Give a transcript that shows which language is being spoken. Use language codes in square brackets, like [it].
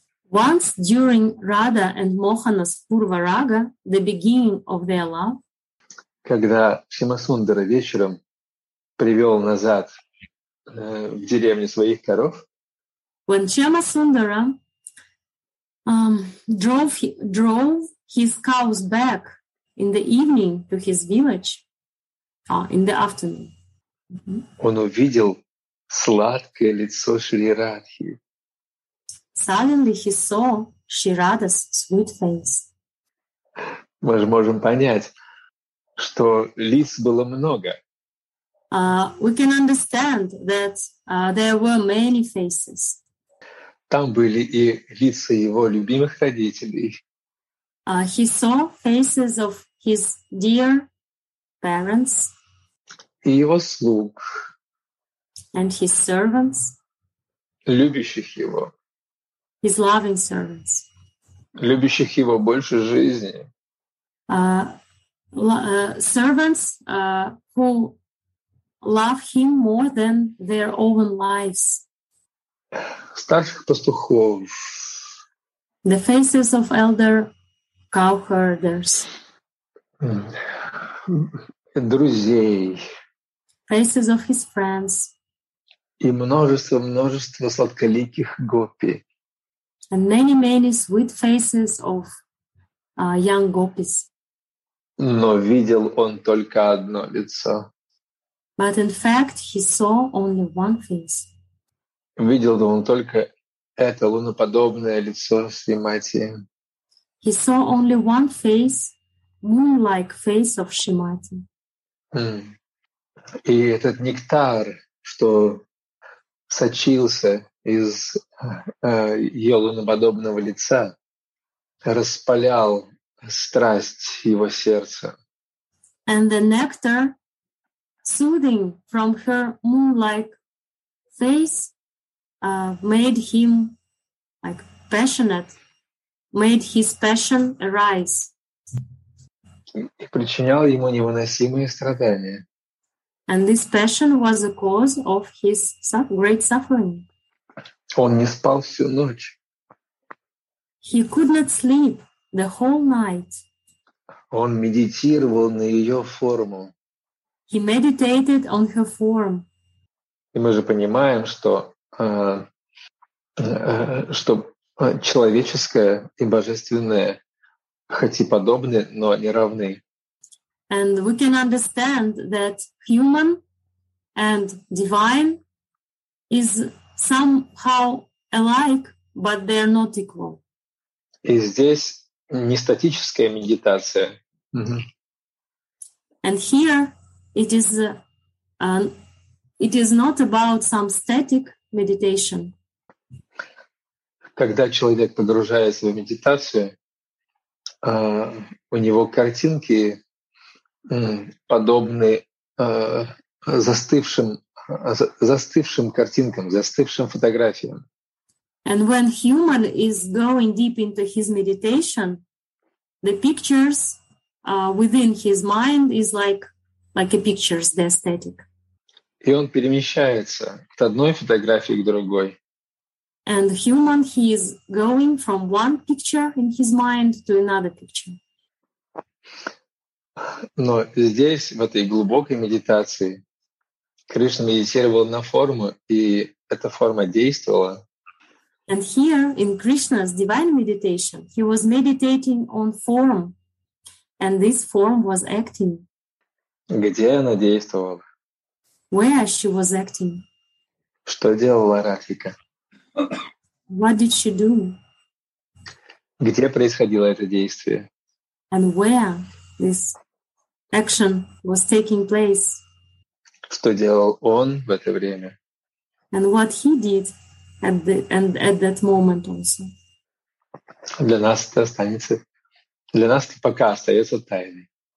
[en] once during Radha and Mohana's Purvaraga, the beginning of their love, [ru] когда Шимасундара вечером привел назад в деревню своих коров, [en] when Shyamasundara drove his cows back in the evening to his village, in the afternoon, [ru] он увидел сладкое лицо Шри Радхи. [en] Suddenly he saw Shirada's sweet face. [ru] Мы же можем понять, что лис было много. [en] We can understand that there were many faces. [ru] Там были и лица его любимых родителей. [en] He saw faces of his dear parents. [ru] И его слуг. [en] And his servants. [ru] Любящих его. [en] His loving servants. [ru] Любящих его больше жизни. [en] Servants who love him more than their own lives. [ru] Старших пастухов. [en] The faces of elder cowherders. [ru] Друзей. [en] Faces of his friends. [ru] И множество сладколиких гопи. [en] And many, many sweet faces of young gopis. [ru] Но видел он только одно лицо. [en] But in fact, he saw only one face. [ru] Видел он только это луноподобное лицо Шри Мати. [en] He saw only one face, moon-like face of Шримати. [ru] И этот нектар, что сочился из ее луноподобного лица, распалял страсть его сердца. [en] And the nectar, soothing from her moon-like face, made him like passionate, made his passion arise. [ru] И причинял ему невыносимые страдания. [en] And this passion was the cause of his great suffering. [ru] Он не спал всю ночь. [en] He could not sleep the whole night. [ru] Он медитировал на ее форму. [en] He meditated on her form. [ru] И мы же понимаем, что, что человеческое и божественное хоть и подобны, но не равны. [en] And we can understand that human and divine is somehow alike, but they are not equal. [ru] И здесь не статическая медитация. Mm-hmm. [en] And here it is not about some static meditation. [ru] Когда человек погружается в медитацию, у него картинки подобны застывшим картинкам, застывшим фотографиям. [en] And when human is going deep into his meditation, the pictures within his mind is like a pictures, the aesthetic. [ru] И он перемещается от одной фотографии к другой. [en] And human, he is going from one picture in his mind to another picture. [ru] Но здесь, в этой глубокой медитации, Кришна медитировал на форму, и эта форма действовала. [en] And here, in Krishna's divine meditation, he was meditating on form, and this form was acting. [ru] Где она действовала? [en] Where she was acting? [ru] Что делала Радхика? [en] What did she do? [ru] Где происходило это действие? [en] And where this action was taking place? [ru] Что делал он в это время? [en] And what he did at that moment also? [ru] Для нас это останется. Для нас это пока остается тайной.